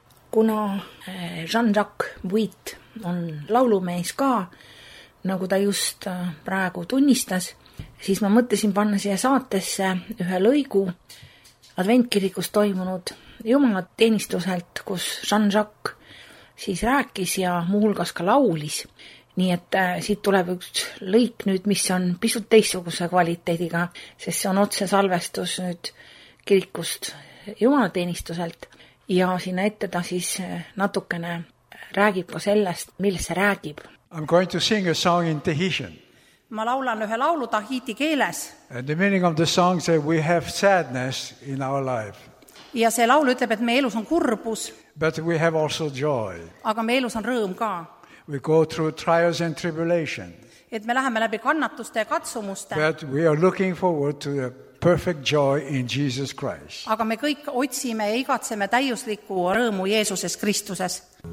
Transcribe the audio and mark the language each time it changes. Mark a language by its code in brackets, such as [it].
[et] Kuna Jean-Jacques Buit on laulumees ka, nagu ta just praegu tunnistas, siis ma mõtlesin panna siia saatesse ühe lõigu adventkirikus toimunud jumalat teenistuselt, kus Jean-Jacques siis rääkis ja muulgas ka laulis. Nii et siit tuleb üks lõik nüüd, mis on pisut teissuguse kvaliteediga, sest see on otse salvestus nüüd kirikust jumalateenistuselt ja sinna ette ta siis natukene räägib ka sellest, millest see räägib. [en] I'm going to sing a song in Tahitian. [et] Ma laulan ühe laulu Tahiti keeles. [en] And the meaning of the song say we have sadness in our life. [et] Ja see laul ütleb, et me elus on kurbus. [en] But we have also joy. [et] Aga me elus on rõõm ka. [en] We go through trials and tribulation. [et] Et me läheme läbi kannatuste ja katsumuste. [en] But we are looking forward to the perfect joy in Jesus Christ. [et] Aga me kõik otsime ja igatseme täiuslikku rõõmu Jeesuses Kristuses.